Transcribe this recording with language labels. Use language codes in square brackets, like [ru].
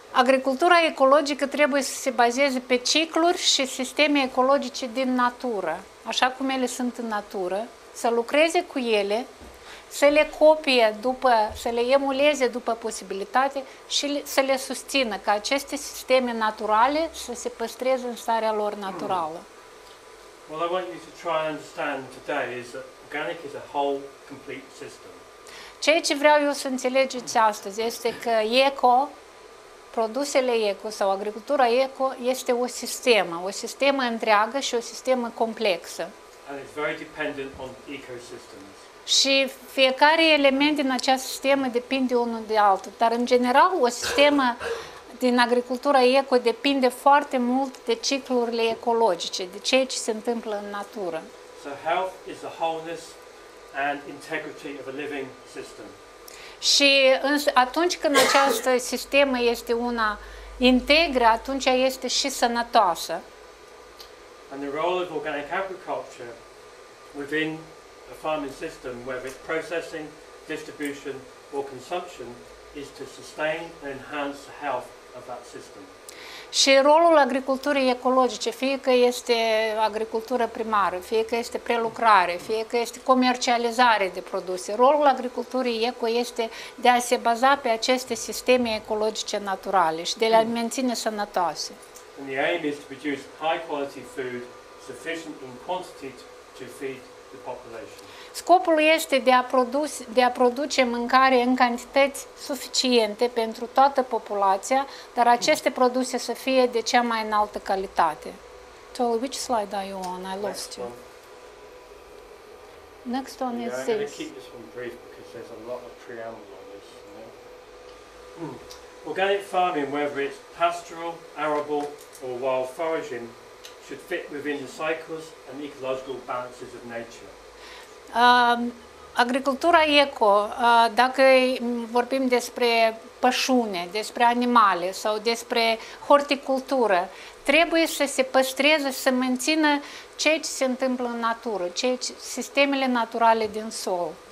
[ro] Agricultura ecologică trebuie să se bazeze pe cicluri și sisteme ecologice din natură, așa cum ele sunt în natură, să lucreze cu ele, să le copie, să le emuleze după posibilitate și să le susțină, ca aceste sisteme naturale să se păstreze în starea lor naturală. [en] What I want you to try and understand today is that organic is a whole, complete system. [ro] Ceea ce vreau eu să înțelegeți astăzi este că eco, produsele eco sau agricultura eco este o sistemă, o sistemă întreagă și o sistemă complexă. [en] And it's very dependent on ecosystems. [ro] Și fiecare element din această sistemă depinde unul de altul, dar în general o sistemă din agricultura eco depinde foarte mult de ciclurile ecologice, de ceea ce se întâmplă în natură. [en] So health is the wholeness and integrity of a living system. [ro] Și atunci când această sistemă este una integră, atunci este și sănătoasă. [en] And the role of organic agriculture within a farming system, whether it's processing, distribution or consumption, is to sustain and enhance the health of that system. [ro] Și rolul agriculturii ecologice, fie că este agricultură primară, fie că este prelucrare, fie că este comercializare de produse, rolul agriculturii eco este de a se baza pe aceste sisteme ecologice naturale și de a le menține sănătoase. [en] And the aim is to produce high quality food sufficient in quantity to feed the population. [ro] Scopul este de a produce mâncare în cantități suficiente pentru toată populația, dar aceste produse să fie de cea mai înaltă calitate. [en] Tolu, which slide are you on? I lost Next you. One. Next one is this. I'm going to keep this one brief because there's a lot of preamble on this. Mm. Organic farming, whether it's pastoral, arable or wild foraging, should fit within the cycles and ecological balances of nature. [ro] Agricultura eco, dacă vorbim despre pășune, despre animale sau despre horticultură, trebuie să se păstreze, să mențină ceea ce se întâmplă în natură, sistemele naturale din sol.